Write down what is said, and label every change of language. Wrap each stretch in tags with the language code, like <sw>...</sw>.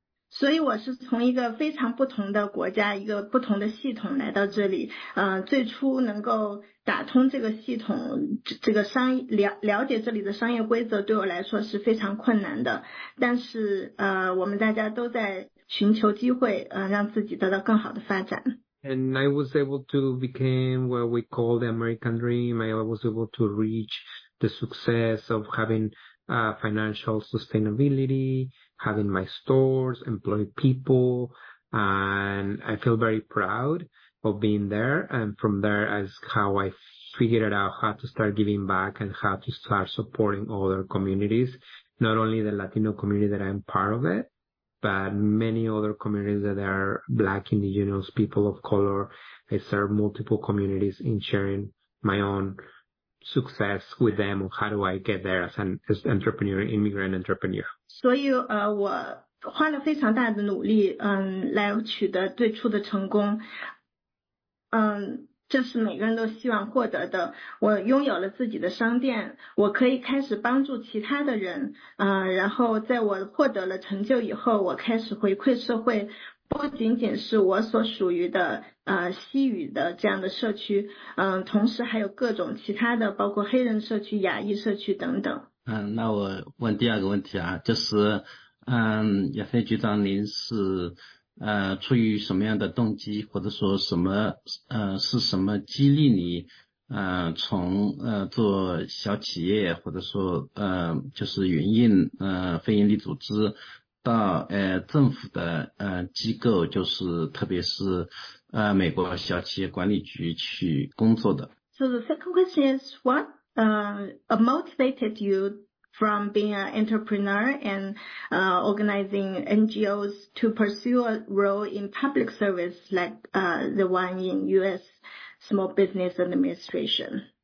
<zh>所以我是从一个非常不同的国家，一个不同的系统来到这里。最初能够打通这个系统，这个商了解这里的商业规则，对我来说是非常困难的。但是我们大家都在寻求机会，让自己得到更好的发展。</zh> <en>And I was able to become what we call the American dream. I was able to reach the success of having financial sustainability, having my stores, employ people, and I feel very proud of being there. And from there is how I figured out how to start giving back and how to start supporting other communities, not only the Latino community that I'm part of it, but many other communities that are Black, Indigenous, people of color. I serve multiple communities in sharing my own success with them. How do I get there as an entrepreneur, immigrant entrepreneur?</en> <zh>所以我花了非常大的努力来取得最初的成功。这是每个人都希望获得的。我拥有了自己的商店，我可以开始帮助其他的人。然后在我获得了成就以后，我开始回馈社会，不仅仅是我所属于的西语的这样的社区，同时还有各种其他的，包括黑人社区、亚裔社区等等。那我问第二个问题啊，就是亚非局长，您是出于什么样的动机，或者说什么是什么激励你从做小企业，或者说就是非盈利组织到政府的机构，就是特别是美国小企业管理局去工作的。</zh> <en>So the second question is what motivated you from being an entrepreneur and organizing NGOs to pursue a role in public service like the one in U.S. Small Business Administration?</en>